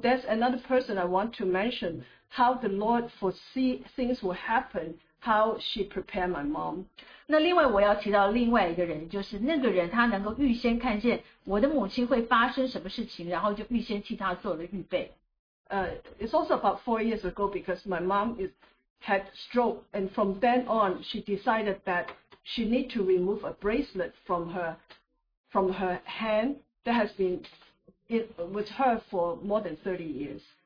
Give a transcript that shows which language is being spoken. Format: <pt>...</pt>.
<en>there's another person I want to mention, how the Lord foresee things will happen, how she prepared my mom.</en> <zh>那另外我要提到另外一个人，就是那个人他能够预先看见我的母亲会发生什么事情，然后就预先替他做了预备。</zh> <en>It's also about 4 years ago because my mom is had stroke, and from then on, she decided that she need to remove a bracelet from her hand that has been with her for more than 30 years.</en>